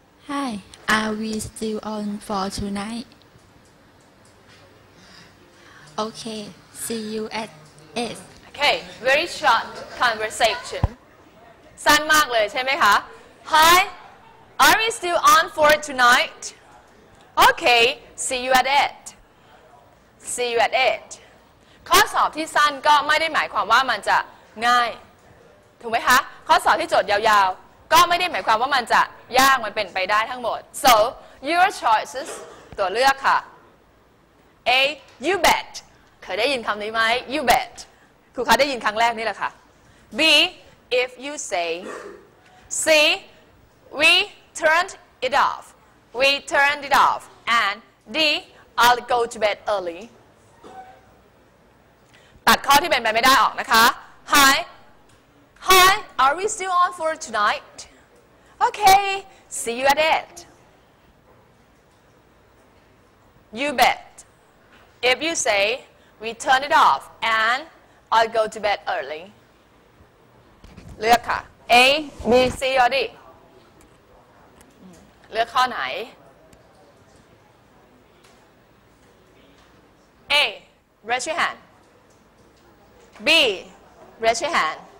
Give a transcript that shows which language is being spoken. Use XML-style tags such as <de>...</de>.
<en>Hi, are we still on for tonight? Okay, see you at 8. Okay, very short conversation.</en> <th>สั้นมากเลยใช่ไหมคะ</th> <en>Hi, are we still on for tonight? Okay, see you at 8. See you at 8.</en> <th>ข้อสอบที่สั้นก็ไม่ได้หมายความว่ามันจะง่ายถูกไหมคะข้อสอบที่โจทย์ยาวๆก็ไม่ได้หมายความว่ามันจะยากมันเป็นไปได้ทั้งหมด</th> <en>so your choices</en> <th>ตัวเลือกค่ะ</th> <en>A you bet</en> <th>เคยได้ยินคำนี้ไหม</th> <en>you bet</en> <th>ครูคะได้ยินครั้งแรกนี่แหละค่ะ</th> <en>B if you say C we turned it off we turned it off and D I'll go to bed early</en> <th>ตัดข้อที่เป็นไปไม่ได้ออกนะคะ</th> <en>Hi Hi Are we still on for tonight? Okay See you at 8 You bet If you say We turn it off And I'll go to bed early</en> <th>เลือกค่ะ</th> <en>A B C or D เลือกข้อไหน A Raise your handB, raise your hand.</en>